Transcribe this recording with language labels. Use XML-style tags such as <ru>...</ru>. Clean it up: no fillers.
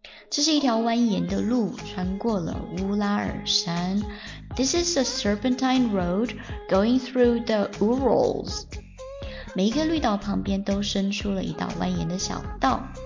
<zh>这是一条蜿蜒的路，穿过了乌拉尔山。</zh> <en>This is a serpentine road going through the Urals。</en> <zh>每一个绿岛旁边都伸出了一道蜿蜒的小道。</zh>